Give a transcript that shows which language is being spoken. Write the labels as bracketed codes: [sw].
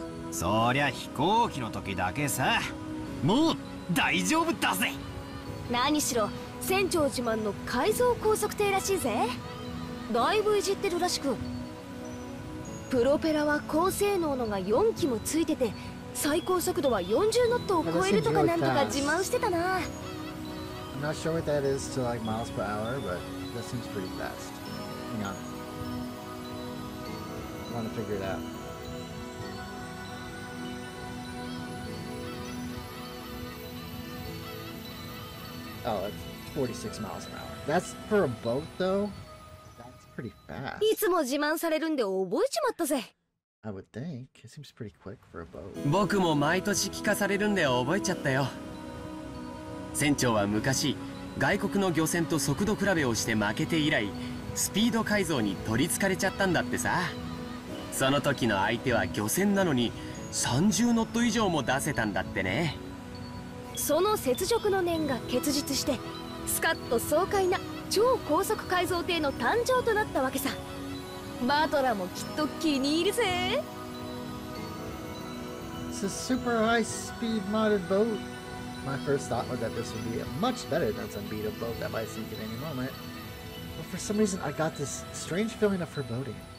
[ja] そりゃ飛行機の時だけさ、もう大丈夫だぜ。何しろ船長自慢の改造高速艇らしいぜ。だいぶいじってるらしく、プロペラは高性能のが4機もついてて、最高速度は40ノットを超えるとかなんとか自慢してたな。 [en] I'm not sure what that is to like miles per hour, but that seems pretty fast. Hang on. I want to figure it out. Oh, it's 46 miles an hour. That's for a boat though? That's pretty fast. [ja] いつも自慢されるんで覚えちまったぜ。 [en] I would think it seems pretty quick for a boat. [ja] 僕も毎年聞かされるんで覚えちゃったよ。船長は昔外国の漁船と速度比べをして負けて以来、スピード改造に取りつかれちゃったんだってさ。その時の相手は漁船なのに30ノット以上も出せたんだってね。その雪辱の念が結実して、スカッと爽快な超高速改造艇の誕生となったわけさ。バトラもきっと気に入るぜ。 [en] It's a super high speed modded boat. My first thought was that this would be a much better than some beat up boat that might sink at any moment. But for some reason, I got this strange feeling of foreboding.